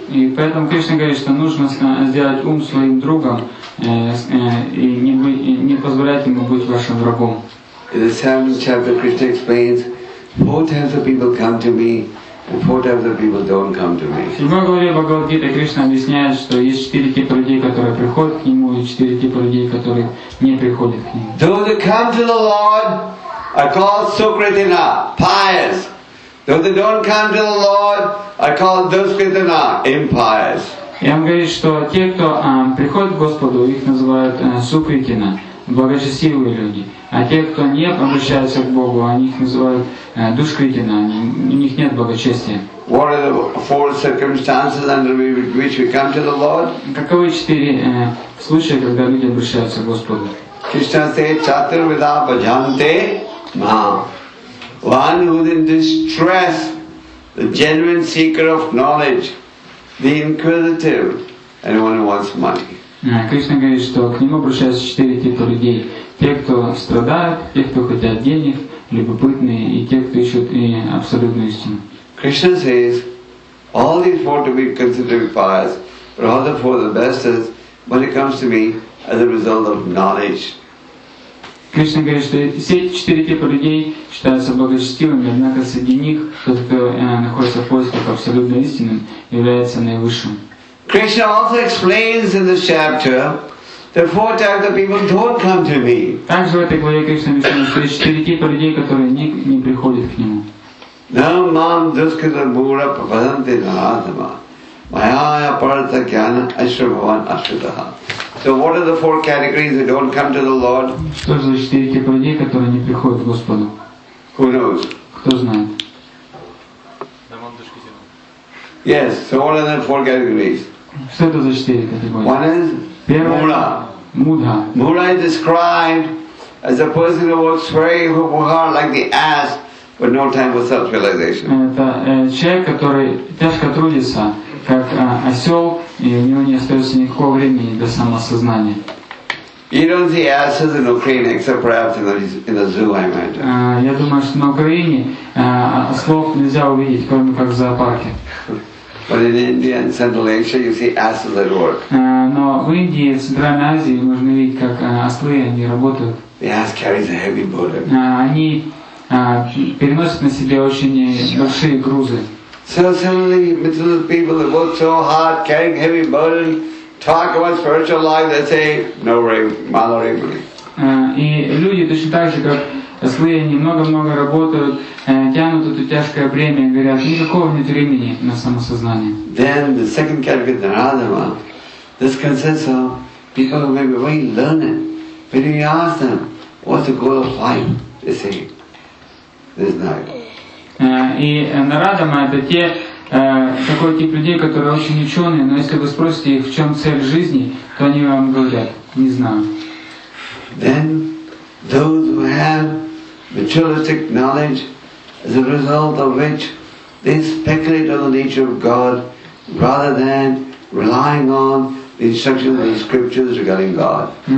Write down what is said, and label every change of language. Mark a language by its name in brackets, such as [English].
[Russian] И поэтому Кришна говорит, что нужно сделать ум своим другом. И не позволяйте ему быть вашим врагом. [English] In the seventh chapter, Krishna explains, four types of people come to me, and four types of people don't come to me. [Russian] В 7 главе Бхагавад-гиты Кришна объясняет, что есть 4 типа людей, которые приходят к нему, и 4 типа людей, которые не приходят к нему. [English] Those who come to the Lord are called Sukritina, pious. Those who don't come to the Lord are called Duskritina, impious. [Russian] И он говорит, что те, кто приходит к Господу, их называют сукритина, благочестивые люди. А те, кто не обращаются к Богу, они их называют душкритина, у них нет благочестия. [English] What are the four circumstances under which we come to the Lord? [Russian] Каковы 4 случая, когда люди обращаются к Господу? [English] Krishna said, [Sanskrit] Chaturvidha Bhajante Maham. [English] One who is in distress, the genuine seeker of knowledge, the inquisitive, and one who wants money. [Russian] Кришна говорит, что к нему обращаются четыре типа людей. Те, кто страдают, те, кто хотят денег, любопытные, и те, кто ищут и абсолютную истину. [English] Krishna says, all these four to be considered pious, but all the four the best is when it comes to me as a result of knowledge. [Russian] Кришна говорит, что все четыре типа людей считаются благочестивыми, однако среди них тот, кто находится в поисках абсолютной истины, является наивысшим. [English] Krishna also explains in this chapter the four types of people don't come to me. [Russian] Также в этой главе Кришна объясняет, что есть четыре типа людей, которые не приходят к нему. [Sanskrit] Намам дускрита бура прападамте нарадама майая парата кьяна ашрабхаван ашрадаха. [English] So what are the four categories that don't come to the Lord? [Russian] Что же за четыре типа людей, которые не приходят к Господу? [English] Who knows? [Russian] Кто знает? [English] Yes, so what are the four categories? [Russian] Что это за четыре категории? [English] One is Mura. Mudha. Mura is described as a person who works very hard like the ass, but no time for self-realization. [Russian] Это человек, который тяжко трудится, как осел, и у него не остается никакого времени для самосознания. [English] You don't see asses in Ukraine except perhaps in the zoo, I imagine. [Russian] Я думаю, что на Украине ослов нельзя увидеть, кроме как в зоопарке. [English] But in India and Central Asia, you see asses at work. [Russian] Но в Индии и Центральной Азии можно видеть, как ослы они работают. [English] The ass carries a heavy burden. [Russian] Они переносят на себе очень большие грузы. [English] So suddenly, middle people that work so hard, carrying heavy burden, talk about spiritual life. They say, "No ring, mala ring." [Russian] И люди точно так же, как ослы, они много работают. Тянут это тяжкое бремя и говорят, никакого нет времени на самосознание. [English] Then the second category, the Radhama, this consists of people who may be very learned. But if you ask them, what's the goal of life, they say, there's no goal. [Russian] И Нарадама это те, такой тип людей, которые очень ученые, но если вы спросите их, в чем цель жизни, то они вам говорят, не знаю. [English] Then those who have materialistic knowledge, as a result of which they speculate on the nature of God rather than relying on the instructions of the scriptures regarding God.